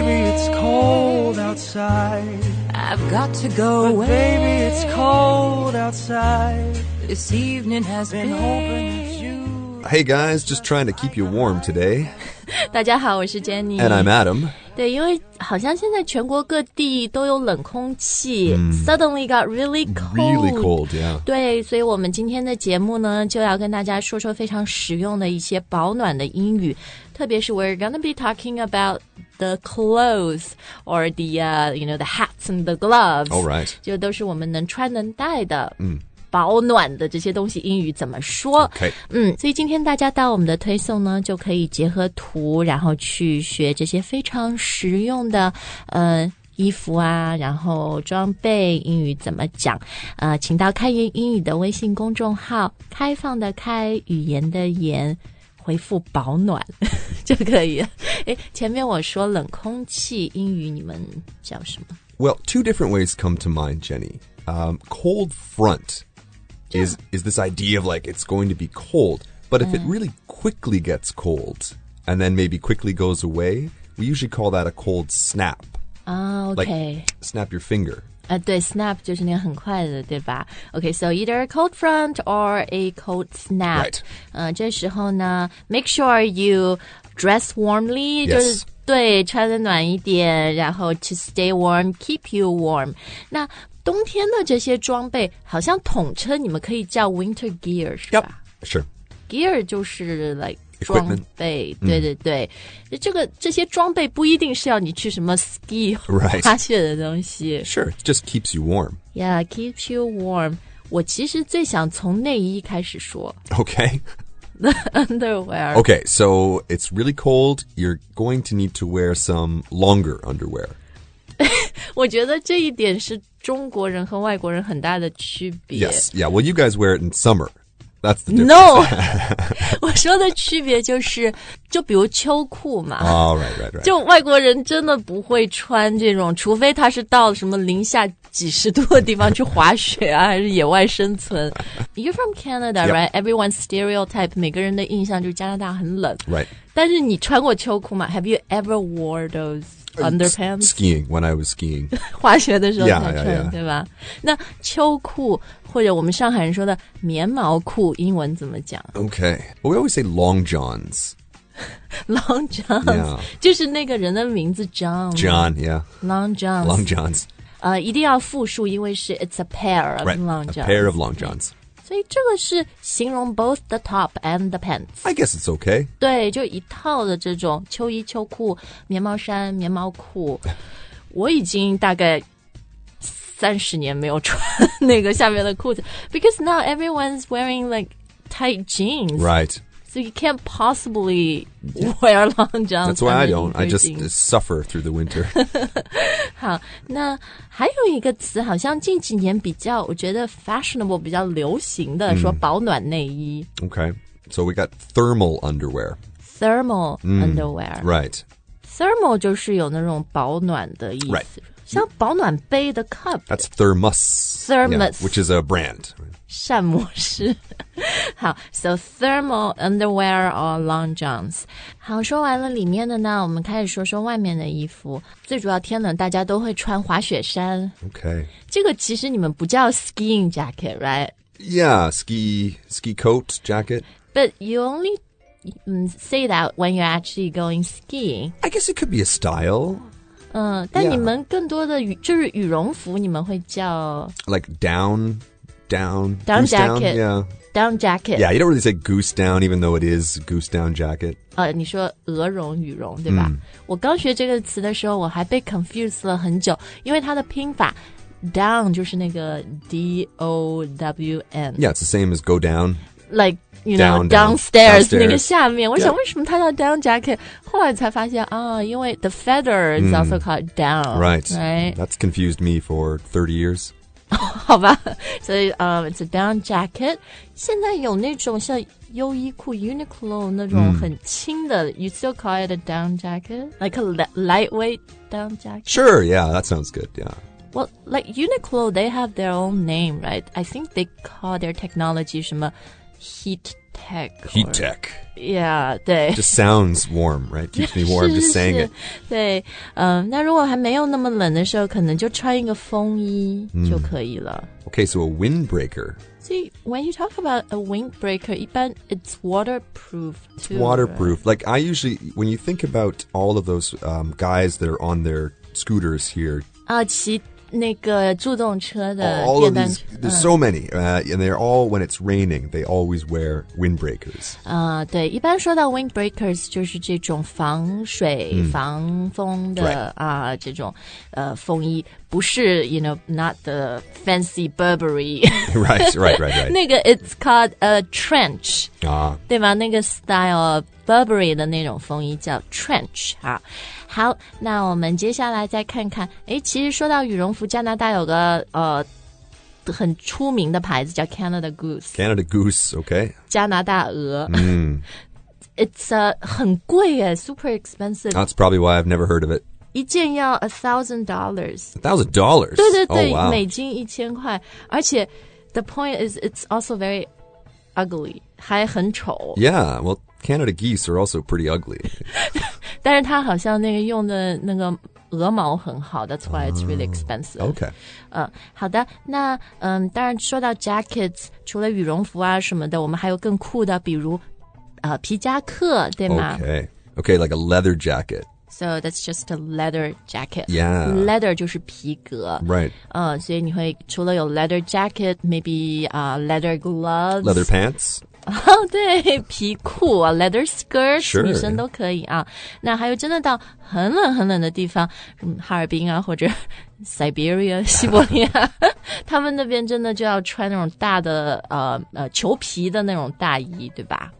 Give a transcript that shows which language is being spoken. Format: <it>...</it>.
<en>But baby, it's cold outside. I've got to go but away. But baby, it's cold outside. This evening has been hoping that you. Hey guys, just trying to keep you warm today.</en> <zh>大家好，我是 Jenny.</zh> <en>And I'm Adam.</en> <zh>对，因为好像现在全国各地都有冷空气、</zh> <en>Suddenly got really cold. Really cold, yeah.</en> <zh>对，所以我们今天的节目呢，就要跟大家说说非常实用的一些保暖的英语。特别是</zh> <en>we're gonna be talking about the clothes or the,、you know, the hats and the gloves. All right.</en> <zh>就都是我们能穿能戴的。嗯、mm. 保暖的这些东西英语怎么说、</zh> <en>okay.</en> <zh>所以今天大家到我们的推送呢就可以结合图然后去学这些非常实用的、衣服啊然后装备英语怎么讲、请到开言英语的微信公众号开放的开语言的言回复保暖就可以了前面我说冷空气英语你们叫什么</zh> <en>Well, two different ways come to mind, Jenny、cold front Yeah. Is this idea of like it's going to be cold, but if it really quickly gets cold and then maybe quickly goes away, we usually call that a cold snap. Oh, okay. Like, snap your finger.</en> <zh>对 snap 就是那个很快的，对吧</zh> <en>？Okay, so either a cold front or a cold snap. Right.</en> <zh>这时候呢</zh> <en>，make sure you dress warmly. Yes.</en> <zh>就是对，穿得暖一点，然后</zh> <en>to stay warm, keep you warm.</en> <zh>那冬天的这些装备好像统称你们可以叫 winter gear, 是吧</zh> <en>yep, sure. Gear</en> <zh>就是</zh> <en>like</en> <zh>装备、Equipment. 对对对、mm. 这个这些装备不一定是要你去什么 ski、</zh> <en>right.</en> <zh>滑雪的东西</zh> <en>Sure, just keeps you warm. Yeah, keeps you warm.</en> <zh>我其实最想从内衣开始说</zh> <en>Okay. The underwear. Okay, so it's really cold. You're going to need to wear some longer underwear.</en> <zh>我觉得这一点是中国人和外国人很大的区别。</zh> <en>Yes, yeah. Well, you guys wear it in summer. That's the difference. No!</en> <zh>我说的区别就是就比如秋裤嘛。</zh> <en>Oh, right, right, right.</en> <zh>就外国人真的不会穿这种除非他是到什么零下几十度的地方去滑雪啊还是野外生存。</zh> <en>You're from Canada, yep. right? Everyone's stereotype,</en> <zh>每个人的印象就是加拿大很冷。</zh> <en>Right. 但是你穿过秋裤吗 Have you ever wore those? Underpants? Skiing, when I was skiing.</en> <zh>滑雪的时候才穿</zh> <en>yeah, yeah, yeah.</en> <zh>对吧那秋裤或者我们上海人说的棉毛裤英文怎么讲</zh> <en>Okay, well, we always say long johns. Long johns,、 yeah.</en> <zh>就是那个人的名字 John.</zh> <en>John, yeah. Long johns. Long johns.、</en> <zh>一定要复数因为是</zh> <en>it's a pair of、 right. long johns. A pair of long johns.</en> <zh>所以这个是形容</zh> <en>both the top and the pants. I guess it's okay.</en> <zh>对，就一套的这种秋衣、秋裤、棉毛衫、棉毛裤。我已经大概30年没有穿那个下面的裤子</zh> <en>because now everyone's wearing like tight jeans. Right. So you can't possibly wear long johns. That's why I don't. I just suffer through the winter.</en> <zh>好，那还有一个词，好像近几年比较，我觉得 fashionable 比较流行的，说保暖内衣。</zh> <en>Okay, so we got thermal underwear. Thermal underwear. Right.</en> <zh>Thermal 就是有那种保暖的意思。</zh> <en>Right.</en> <zh>像保暖杯的 cup.</zh> <en>That's thermos. Thermos. Yeah, which is a brand.</en> <zh>膳魔师。好</zh> <en>so thermal underwear or long johns.</en> <zh>好说完了里面的呢我们开始说说外面的衣服。最主要天冷大家都会穿滑雪衫。</zh> <en>Okay.</en> <zh>这个其实你们不叫 skiing jacket, right?</zh> <en>Yeah, ski coat jacket. But you only、say that when you're actually going skiing. I guess it could be a style.</en> <zh>但你们更多的羽、</zh> <en>yeah.</en> <zh>就是羽绒服你们会叫</zh> <en>Like down, down, down goose jacket. Down, yeah. Down jacket. Yeah, you don't really say goose down, even though it is goose down jacket.</en> <zh>你说鹅绒羽绒对吧、我刚学这个词的时候我还被 confused 了很久因为它的拼法 down 就是那个 D-O-W-N.</zh> <en>Yeah, it's the same as go down. Like, you know, down, downstairs, downstairs,</en> <zh>那个下面。我想为什么它叫 down jacket? 后来才发现、</zh> <en>因为 the feather is also called down. Right. Right. That's confused me for 30 years.</en> <zh>好吧所以、</zh> <en>it's a down jacket</en> <zh>现在有那种像优衣库 Uniqlo 那种很轻的、</zh> <en>You still call it a down jacket? Like a lightweight down jacket? Sure, yeah, that sounds good, yeah Well, like Uniqlo, they have their own name, right? I think they call their technology 什么 heat tech. Heat tech. Yeah, 对。 Just sounds warm, right? Keeps me warm,</en> <zh>是是是</zh> <en>just saying it.</en> <zh>对、那如果还没有那么冷的时候可能就穿一个风衣就可以了。</zh> <en>Mm. Okay, so a windbreaker. See, when you talk about a windbreaker,</en> <zh>一般</zh> <en>it's waterproof too. It's waterproof. Like, I usually, when you think about all of those、guys that are on their scooters here.</en> <zh>啊，骑那个助动车的电单车</zh> <en>all of these, there's so many、and they're all when it's raining they always wear windbreakers、</en> <zh>对一般说到 windbreakers 就是这种防水、mm. 防风的、</zh> <en>right.</en> <zh>这种、风衣不是</zh> <en>you know not the fancy Burberry right</en> <zh>那个</zh> <en>it's called a trench、</en> <zh>对吗那个</zh> <en>style of Burberry</en> <zh>的那种风衣叫 trench 好那我们接下来再看看诶其实说到羽绒服加拿大有个很出名的牌子叫 Canada Goose</zh> <en>Canada Goose okay</en> <zh>加拿大鹅、</zh> <en>mm. it's</en> <zh>很贵耶</zh> <en>super expensive that's probably why I've never heard of it</en> <zh>一件要$1,000</zh> <en>$1,000</en> <zh>对对对、</zh> <en>oh, wow.</en> <zh>美金一千块而且</zh> <en>the point is it's also very ugly</en> <zh>还很丑</zh> <en>yeah well Canada geese are also pretty ugly</en> <zh>但是它好像那个用的那个鹅毛很好</zh> <en>that's why it's really expensive okay、</en> <zh>好的那、当然说到 jackets 除了羽绒服啊什么的我们还有更酷的比如、皮夹克对吗</zh> <en>okay like a leather jacket So that's just a leather jacket. Yeah.</en> <zh>Leather 就是皮革。</zh> <en>Right.</en> <zh>所以你会除了有 leather jacket, maybe、leather gloves.</zh> <en>Leather pants.</en> <zh>哦、oh, 对皮裤 leather skirt,</zh> <en>sure,</en> <zh>女生都可以啊。那还有真的到很冷很冷的地方哈尔滨啊或者 Siberia, 西伯利亚他们那边真的就要穿那种大的裘皮的那种大衣对吧</zh>